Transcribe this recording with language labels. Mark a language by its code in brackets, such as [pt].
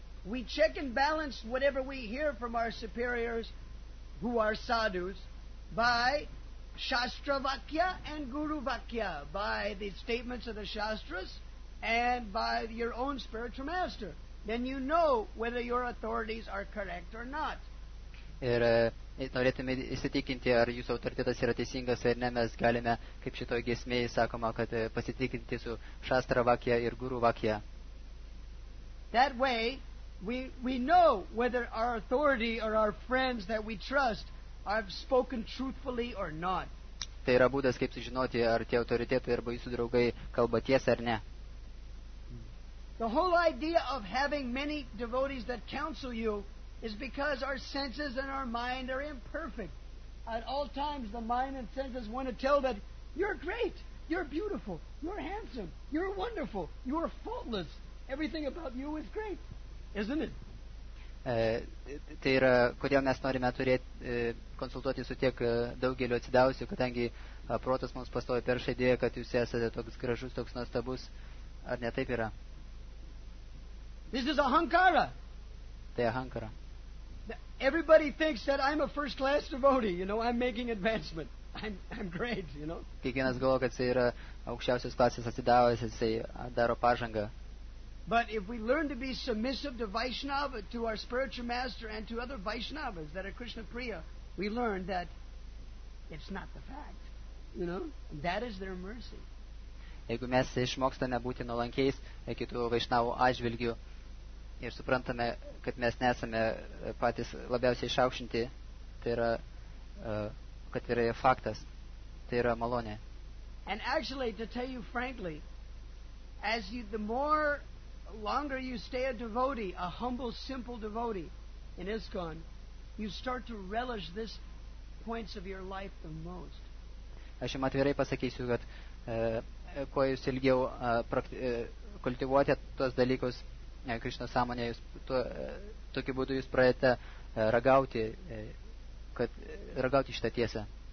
[en] We check and balance whatever we hear from our superiors who are sadhus by Shastra Vakya and Guru Vakya, by the statements of the Shastras and by your own spiritual master, then you know whether your authorities are correct or not. [lt] Ir norėtume įsitikinti, ar jūsų autoritetas yra teisingas ar ne, mes galime, kaip šitoje giesmėje sakoma, kad pasitikinti su Shastra Vakya ir Guru Vakya. [en] That way we know whether our authority or our friends that we trust I've spoken truthfully or not. [lt] Tai yra būdas, kaip sužinoti, ar tie autoritetai arba jūsų draugai kalba tiesą ar ne. [en] The whole idea of having many devotees that counsel you is because our senses and our mind are imperfect. At all times the mind and senses want to tell that you're great, you're beautiful, you're handsome, you're wonderful, you're faultless. Everything about you is great, isn't it? [lt] Tai yra, kodėl mes norime turėti konsultuoti su tiek daugelio atsidavusių, kadangi protas mums pastovi peršą idėją, kad jūs esate toks gražus, toks nuostabus, ar ne taip yra? [en] This is ahankara. [lt] Tai ahankara. [en] Everybody thinks that I'm a first class devotee, you know, I'm making advancement, I'm great, you know. [lt] Kiekvienas galvo, kad jis yra aukščiausios klasės atsidavęs, jis daro pažangą. [en] But if we learn to be submissive to Vaishnava, to our spiritual master and to other Vaishnavas that are Krishna Priya, we learn that it's not the fact. You know? That is their mercy. [lt] Jeigu mes išmokstame būti nuolankiais kitų Vaishnavų atžvilgių ir suprantame, kad mes nesame patys labiausiai išaukštinti, tai yra, kad yra faktas, tai yra malonė. [en] And actually, to tell you frankly, as you, the more longer you stay a devotee, a humble, simple devotee in ISKCON, you start to relish this points of your life the most. [lt] Aš jums atvirai pasakysiu, kad kuo jūs ilgiau kultivuote tuos dalykus Krishna sąmonė, jūs tokiu būdu jūs pradėte ragauti šitą tiesą.